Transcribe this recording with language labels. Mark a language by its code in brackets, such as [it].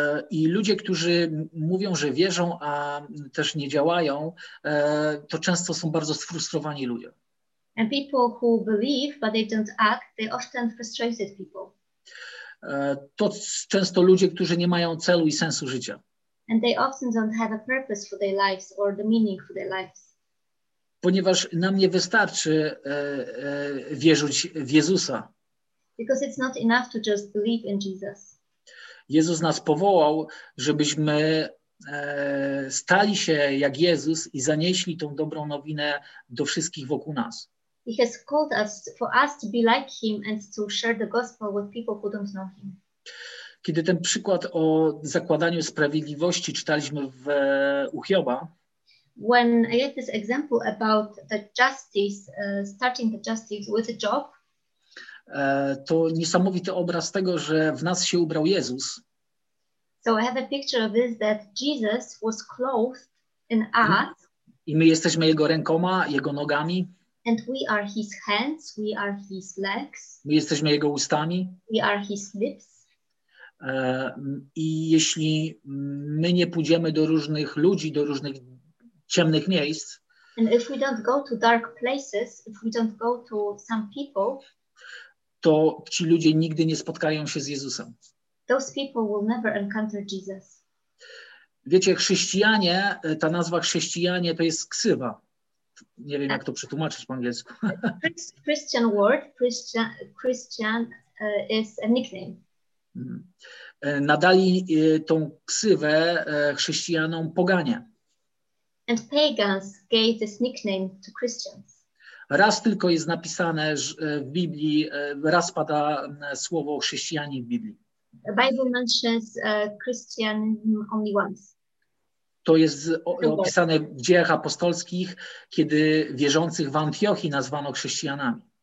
[pl] I ludzie, którzy mówią, że wierzą, a też nie działają, to często są bardzo sfrustrowani ludzie. [en] And people who believe, but they don't act, they often frustrated people. [pl] To często ludzie, którzy nie mają celu i sensu życia. [en] And they often don't have a purpose for their lives or the meaning for their lives. [pl] Ponieważ nam nie wystarczy wierzyć w Jezusa. [en] Because it's not enough to just believe in Jesus. [pl] Jezus nas powołał, żebyśmy stali się jak Jezus i zanieśli tą dobrą nowinę do wszystkich wokół nas. [en] He has called us for us to be like him and to share the gospel with people who don't know him. [pl] Kiedy ten przykład o zakładaniu sprawiedliwości czytaliśmy w u Hioba, [en] when I had this example about the justice, starting the justice with a job, [pl] to niesamowity obraz tego, że w nas się ubrał Jezus. [en] So I have a picture of this, that Jesus was clothed in us. [pl] I my jesteśmy Jego rękoma, Jego nogami. [en] And we are His hands, we are His legs. [pl] My jesteśmy Jego ustami. [en] We are His lips. [pl] I jeśli my nie pójdziemy do różnych ludzi, do różnych ciemnych miejsc. [en] And if we don't go to dark places, if we don't go to some people, [pl] to ci ludzie nigdy nie spotkają się z Jezusem. [en] Those people will never encounter Jesus. [pl] Wiecie, chrześcijanie, ta nazwa chrześcijanie to jest ksywa. Nie wiem, jak to przetłumaczyć po angielsku. [en] Christian word, Christian is a nickname. [pl] Nadali tą ksywę chrześcijanom poganie. [en] And pagans gave this nickname to Christians. [pl] Raz tylko jest napisane w Biblii, raz pada słowo chrześcijanin w Biblii. [en] The Bible mentions Christian only once. [pl] To jest opisane w Dziejach Apostolskich, kiedy wierzących w Antiochii nazwano chrześcijanami.